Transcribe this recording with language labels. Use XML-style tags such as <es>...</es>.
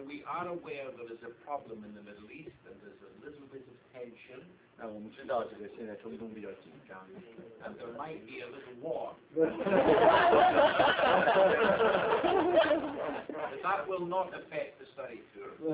<en>we are aware there is a problem in the Middle East and there's a little bit of tension.</en> <zh>那我们知道这个现在中东比较紧张。</zh> <en>And there might be a little war. But that will not affect the study tour.</en>